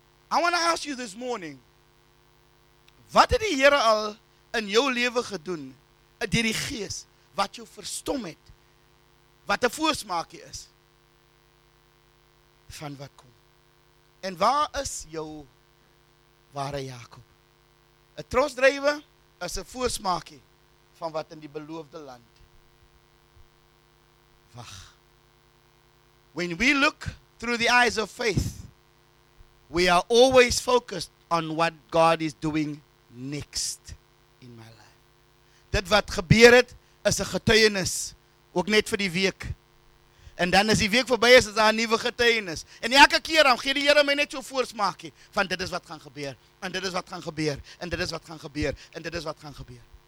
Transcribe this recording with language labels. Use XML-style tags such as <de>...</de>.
<en>I want to ask you this morning,</en> <af>wat het die Here al in jou lewe gedoen deur die Gees wat jou verstom het, wat 'n voorsmaakie is van wat kom? En waar is jou ware Jakob? 'N trosdrywe is 'n voorsmaakie van wat in die beloofde land wag.</af> <en>When we look through the eyes of faith, we are always focused on what God is doing next in my life.</en> <af>Dit wat gebeur het, is 'n getuienis, ook net vir die week. En dan as die week verby is, is daar 'n nuwe getuienis. En elke keer dan gee die Here my net so voorsmaakie van dit is wat gaan gebeur, en dit is wat gaan gebeur, en dit is wat gaan gebeur, en dit is wat gaan gebeur.</af>